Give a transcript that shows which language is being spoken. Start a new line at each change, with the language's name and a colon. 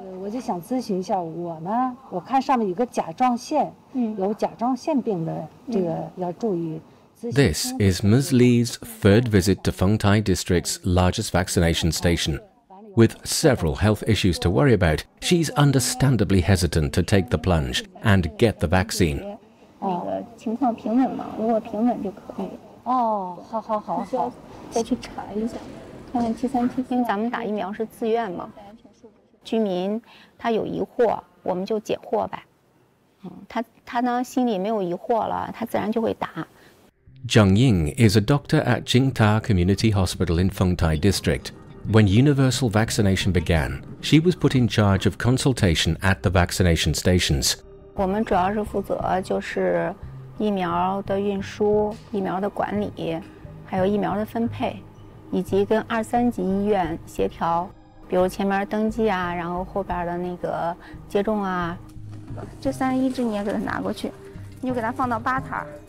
English: This is Ms. Li's third visit to Fengtai District's largest vaccination station. With several health issues to worry about, she's understandably hesitant to take the plunge and get the vaccine.
Chinese: 情况平稳吗？如果平稳就可以。哦，好好好，需要再去查一下，看看七三七三。咱们打疫苗是自愿吗？居民他有疑惑，我们就解惑呗。他呢心里没有疑惑了，他自然就会打。
English: Zhang Ying is a doctor at Jingta Community Hospital in Fengtai District. When universal vaccination began, she was put in charge of consultation at the vaccination stations.
Chinese: 我们主要是负责就是疫苗的运输、疫苗的管理、还有疫苗的分配，以及跟二三级医院协调，比如前面登记啊，然后后边的那个接种啊。这三十一支你也给他拿过去，你就给他放到吧台。